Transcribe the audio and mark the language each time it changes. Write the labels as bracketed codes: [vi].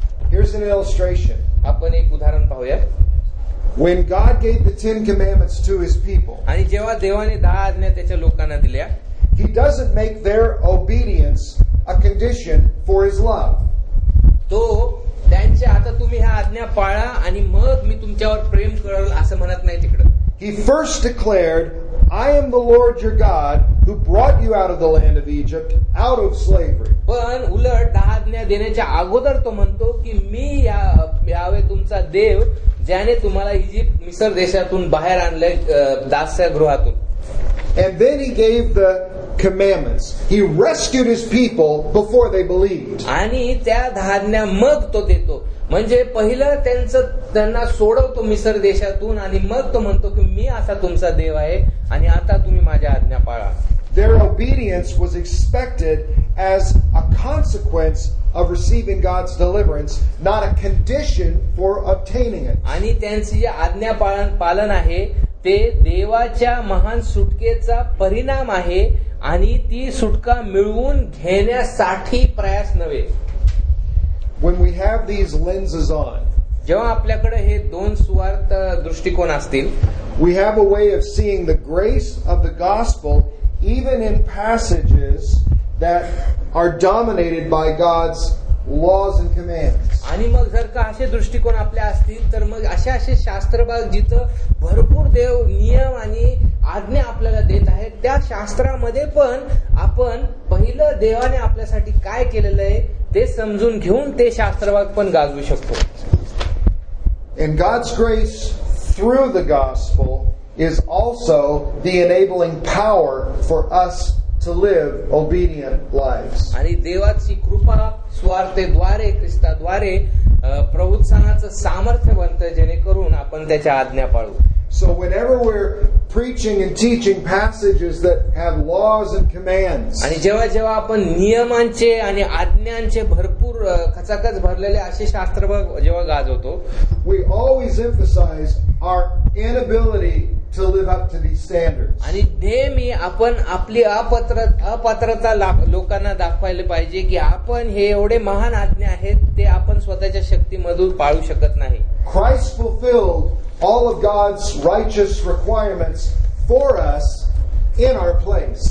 [en] Here's an illustration. [mr] आपण एक उदाहरण पाहूया. [en] When God gave the Ten Commandments to his people, [mr] आणि जेव्हा देवाने 10 आज्ञा त्याच्या लोकांना दिल्या, [en] he doesn't make their obedience a condition for his love. [mr] तो त्यांचे आता तुम्ही ह्या आज्ञा पाळा आणि मग मी तुमच्यावर प्रेम करेल असं म्हणत नाही तिकडे. [en] He first declared, I am the Lord your God who brought you out of the land of Egypt, out of slavery. [mr] पण उलट 10 आज्ञा देण्याच्या अगोदर तो म्हणतो की मी यावे तुमचा देव ज्याने तुम्हाला इजिप्त मिसर देशातून बाहेर आणलंय दास्यगृहातून. [en] And then he gave the commandments. He rescued his people before they believed. [mr] आणि त्या 10 आज्ञा मग तो देतो म्हणजे पहिलं त्यांना सोडवतो मिसर देशातून आणि मग तो म्हणतो की मी आता तुमचा देव आहे आणि आता तुम्ही माझ्या आज्ञा पाळा. [en] Their obedience was expected as a consequence of receiving God's deliverance, not a condition for obtaining it. [mr] आणि त्यांची जी आज्ञा पालन आहे ते देवाच्या महान सुटकेचा परिणाम आहे आणि ती सुटका मिळवून घेण्यासाठी प्रयास नव्हे. [en] When we have these lenses on, [mr] जेव्हा आपल्याकडे हे दोन सुवार्थ दृष्टिकोन असतील, [en] We have a way of seeing the grace of the gospel even in passages that are dominated by God's laws and commands. [mr] आणि मग जर का असे दृष्टिकोन आपले असतील तर मग असे असे शास्त्रभाग जिथं भरपूर देव नियम आणि आज्ञा आपल्याला देत आहेत त्या शास्त्रामध्ये पण आपण पहिलं देवाने आपल्यासाठी काय केलेलं आहे ते समजून घेऊन ते शास्त्रभाग पण गाजवू शकतो. [en] And God's grace through the gospel is also the enabling power for us to live obedient lives. [mr] आणि देवाची कृपा स्वार्थेद्वारे ख्रिस्ताद्वारे प्रवचनाचं सामर्थ्य बनतं जेणेकरून आपण त्याच्या आज्ञा पाळू. [en] So whenever we're preaching and teaching passages that have laws and commands, [mr] आणि जेव्हा जेव्हा आपण नियमांचे आणि आज्ञांचे भरपूर खचाखच भरलेले असे शास्त्रभाग जेव्हा गाजवतो, [en] we always emphasize our inability to live up to these standards. [mr] आणि नेहमी आपण आपली अपात्रता लोकांना दाखवायला पाहिजे की आपण हे एवढे महान आज्ञा आहेत ते आपण स्वतःच्या शक्तीमधून पाळू शकत नाही. [en] Christ fulfilled all of God's righteous requirements for us in our place.